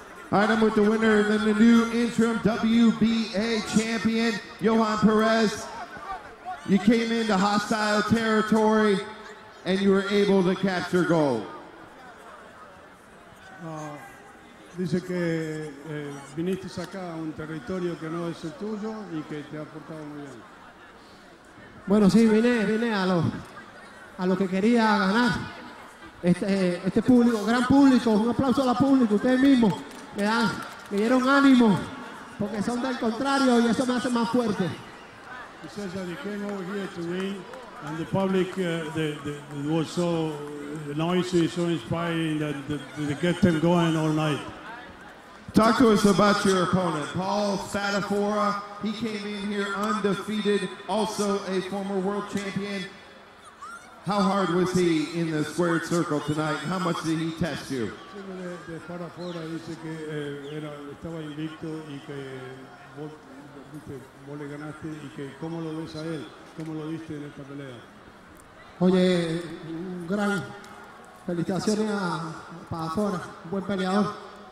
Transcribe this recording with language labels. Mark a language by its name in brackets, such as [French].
[English] All right, I'm with the winner and then the new interim WBA champion, Johan Perez. You came into hostile territory and you were able to capture gold. [Spanish] Dice que viniste acá a un territorio que no es el tuyo y que te ha portado muy bien. Bueno, sí, vine a lo que quería ganar. Este público, gran público, un aplauso a la público, ustedes mismos me dieron ánimo porque son del contrario y eso me hace más fuerte. [English] He says that he came over here to win and the public was so noisy, so inspiring that they get them going all night. Talk to us about your opponent, Paul Spadafora. He came in here undefeated, also a former world champion. How hard was he in the squared circle tonight? How much did he test you? [Spanish] Spadafora dice que estaba invicto y que vos le ganaste y que cómo lo ves a él, cómo lo viste en esta pelea. Oye, un gran felicitaciones a Spadafora, buen peleador.